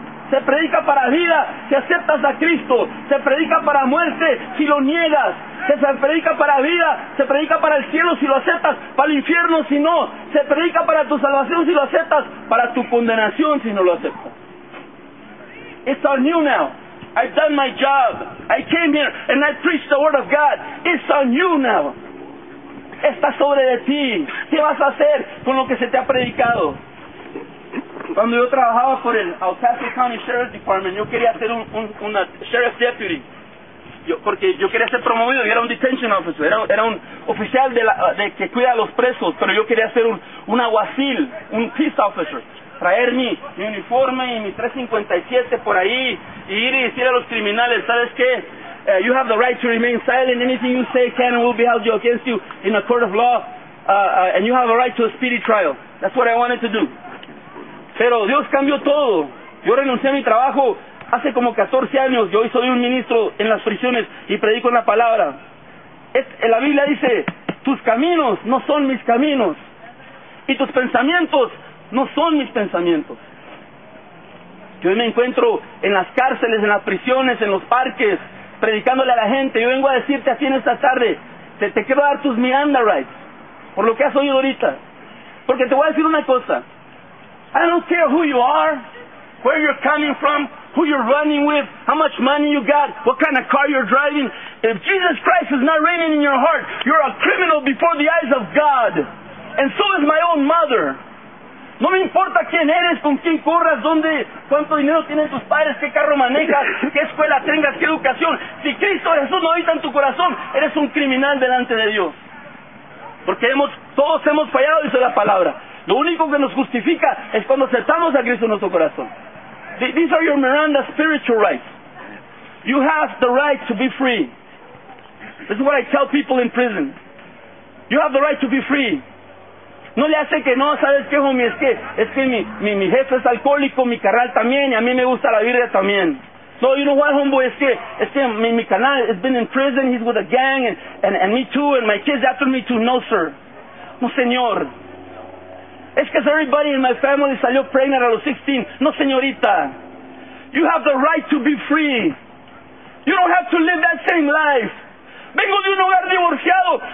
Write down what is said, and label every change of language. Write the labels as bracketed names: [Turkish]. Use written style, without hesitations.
[Spanish] Se predica para vida si aceptas a Cristo. Se predica para muerte si lo niegas. Se predica para vida, se predica para el cielo si lo aceptas, para el infierno si no. Se predica para tu salvación si lo aceptas, para tu condenación si no lo aceptas. [English] It's on you now. I've done my job. I came here and I preached the word of God. It's on you now. [Spanish] Está sobre de ti. ¿Qué vas a hacer con lo que se te ha predicado? Cuando yo trabajaba por el El Paso County Sheriff's Department, yo quería ser un sheriff deputy. Porque yo quería ser promovido, yo era un detention officer, era un oficial de que cuida a los presos, pero yo quería ser un aguacil, un peace officer, traer mi uniforme y mi 357 por ahí y ir y decir a los criminales, ¿sabes qué? [English] You have the right to remain silent, anything you say can and will be held against you in a court of law, and you have a right to a speedy trial. That's what I wanted to do. [Spanish] Pero Dios cambió todo. Yo renuncié a mi trabajo hace como 14 años, yo hoy soy un ministro en las prisiones y predico en la palabra. La Biblia dice, tus caminos no son mis caminos. Y tus pensamientos no son mis pensamientos. Yo hoy me encuentro en las cárceles, en las prisiones, en los parques, predicándole a la gente. Yo vengo a decirte así en esta tarde, te quiero dar tus Miranda rights, por lo que has oído ahorita. Porque te voy a decir una cosa. [English] I don't care who you are, where you're coming from, who you're running with, how much money you got, what kind of car you're driving. If Jesus Christ is not reigning in your heart, you're a criminal before the eyes of God. And so is my own mother. [Spanish] No me importa quién eres, con quién corras, dónde, cuánto dinero tienen tus padres, qué carro manejas, qué escuela tengas, qué educación. Si Cristo Jesús no habita en tu corazón, eres un criminal delante de Dios. Porque todos hemos fallado, dice la palabra. Lo único que nos justifica es cuando aceptamos a Cristo en nuestro corazón. [English] These are your Miranda spiritual rights. You have the right to be free. This is what I tell people in prison. You have the right to be free. [Spanish] No le hace que no, ¿sabes qué, homie? Es que mi jefe es alcohólico, mi carnal también, y a mí me gusta la birria también. [English] No, you know what, homeboy? [Spanish] Mi canal [English] has been in prison. He's with a gang, and me too, and my kids after me too. No, sir. [Spanish] No, señor. Es que [English] everybody in my family [Spanish] salió [English] pregnant [Spanish] a los 16. No, señorita. [English] You have the right to be free. You don't have to live that same life. [Spanish] Vengo de un hogar divorciado.